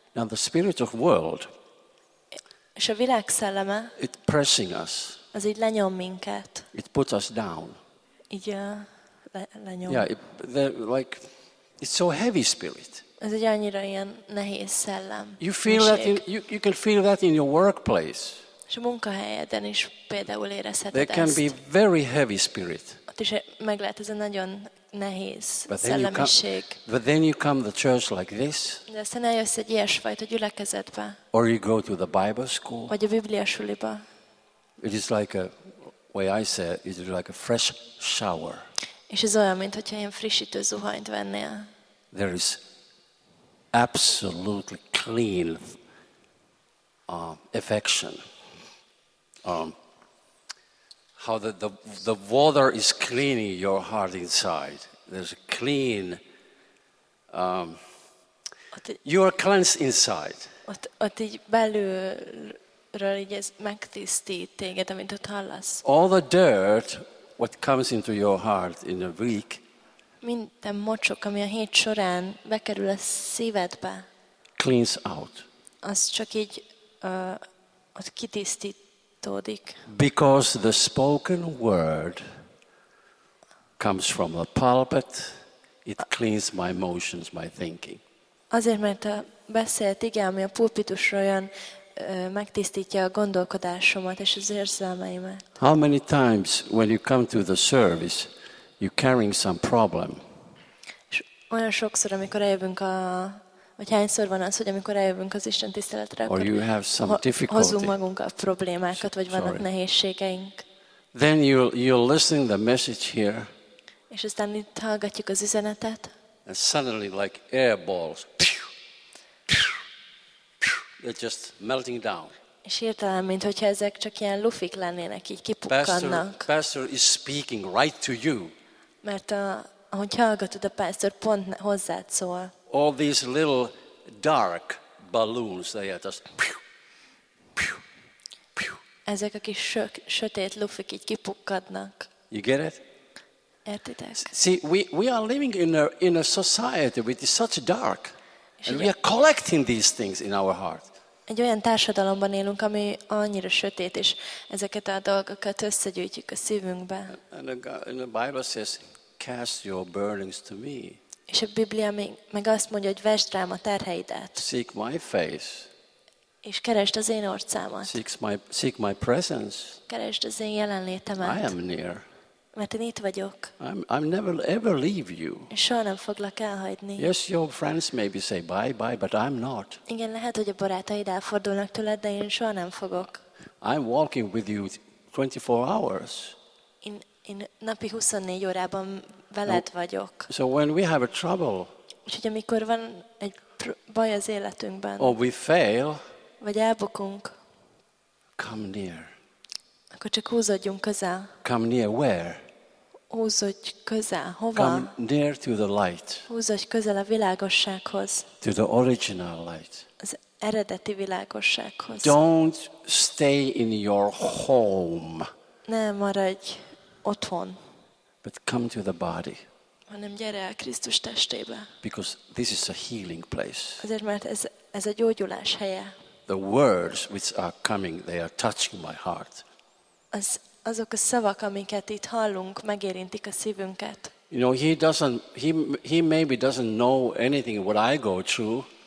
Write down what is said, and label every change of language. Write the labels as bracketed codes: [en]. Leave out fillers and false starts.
[en] Now the spirit of world. [hu] És a világ szelleme. [en] It pressing us. [hu] Az így lenyom minket. [en] It puts us down. [hu] Így lenyom. [en] Yeah, it's so heavy spirit. [hu] Ez egy annyira ilyen nehéz szellem. [en] You feel that you can feel that in your workplace. [hu] És a munkahelyeden is például érezheted ezt. [en] There can be very heavy spirit. [hu] Ott is meg lehet ez a nagyon nehéz szellemiség. [en] But then you come to the church like this. [hu] De aztán eljössz egy ilyesfajta gyülekezetbe. [en] Or you go to the Bible school. [hu] Vagy a bibliasuliba. [en] It is like a way I say it is like a fresh shower. [hu] És ez olyan, mint hogyha ilyen frissítő zuhanyt vennél. [en] There is absolutely clean affection. How the water is cleaning your heart inside. There's a clean. You are cleansed inside. [hu] Ott így belülről így ez megtisztít téged, amint ott hallasz. [en] All the dirt what comes into your heart in a week. [hu] Minden mocsok, ami a hét során bekerül a szívedbe. [en] Cleans out. [hu] Az csak így ott kitisztít. [en] Because the spoken word comes from the pulpit, it cleans my emotions, my thinking. [hu] Azért, mert a beszélt ige, ami a pulpitusról jön, megtisztítja a gondolkodásomat és az érzelmeimet. [en] How many times when you come to the service, you're carrying some problem? [hu] És olyan sokszor, amikor eljövünk a hogy hányszor van az, hogy amikor eljövünk az Isten tiszteletre, akkor hozunk magunkat problémákat, vagy vannak nehézségeink. [en] Then you're listening the message here. [hu] És aztán itt hallgatjuk az üzenetet. [en] And suddenly like air balls. They're just melting down. [hu] És hirtelen, mint hogyha ezek csak ilyen lufik lennének, így kipukkannak. [en] Pastor is speaking right to you. [hu] Mert ahogy hallgatod, a pastor pont hozzád szól. [en] All these little dark balloons, they are just pew, pew, pew. [hu] Ezek a kis sötét lufik így kipukkadnak. [en] You get it? [hu] Értitek? [en] See, we are living in a society which is such dark, and we are collecting these things in our heart. [hu] Egy olyan társadalomban élünk, ami annyira sötét, és ezeket a dolgokat összegyűjtjük a szívünkbe. [en] And the Bible says, cast your burdens to me. [hu] És a Biblia meg azt mondja, hogy vesd rám a terheidet. [en] Seek my face. [hu] És keresd az én orcámat. [en] Seek my presence. [hu] Keresd az én jelenlétemet. [en] I am near. [hu] Mert én itt vagyok. [en] I'm never ever leave you. [hu] És soha nem foglak elhagyni. [en] Yes, your friends maybe say bye bye, but I'm not. [hu] Igen, lehet, hogy a barátaid elfordulnak tőled, de én soha nem fogok. [en] I'm walking with you 24 hours. [hu] Én napi 24 órában veled vagyok. [en] So when we have a trouble, [hu] úgyhogy amikor van egy baj az életünkben, [en] or we fail, [hu] vagy elbukunk, [en] come near. [hu] Akkor csak húzódjunk közel. [en] Come near where? [hu] Húzódj közel. Hova? [en] Come near to the light. [hu] Húzódj közel a világossághoz. [en] To the original light. [hu] Az eredeti világossághoz. [en] Don't stay in your home. [hu] Ne maradj otthon. [en] But come to the body. [hu] Hanem gyere el Krisztus testébe. [en] Because this is a healing place. [hu] Azért, mert ez a gyógyulás helye. [en] The words which are coming, they are touching my heart. [hu] Azok a szavak, amiket itt hallunk, megérintik a szívünket. [en] You know, he maybe doesn't know anything what I go through.